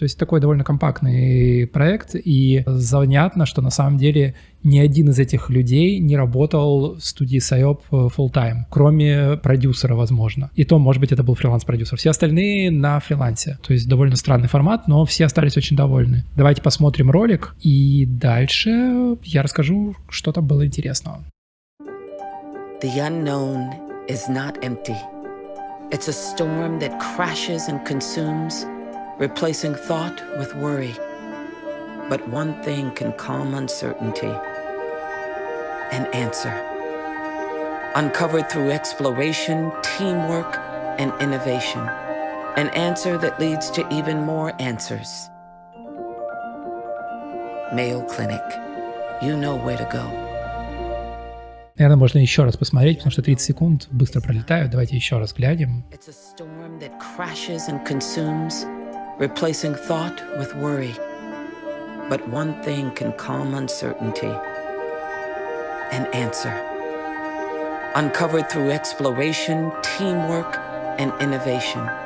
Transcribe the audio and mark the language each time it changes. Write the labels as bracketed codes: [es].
[ru] То есть такой довольно компактный проект, и занятно, что на самом деле ни один из этих людей не работал в студии SIOP full-time, кроме продюсера, возможно. И то, может быть, это был фриланс-продюсер. Все остальные на фрилансе. То есть довольно странный формат, но все остались очень довольны. Давайте посмотрим ролик, и дальше я расскажу, что там было интересного. [en] The unknown is not empty. It's a storm that crashes and consumes, replacing thought with worry. But one thing can calm uncertainty. An answer. Uncovered through exploration, teamwork, and innovation. An answer that leads to even more answers. Mayo Clinic. You know where to go. [ru] Наверное, можно еще раз посмотреть, потому что 30 секунд быстро пролетают. Давайте еще раз глянем. [en] It's a storm that crashes and consumes, replacing thought with worry. But one thing can calm uncertainty. An answer. Uncovered through exploration, teamwork, and innovation.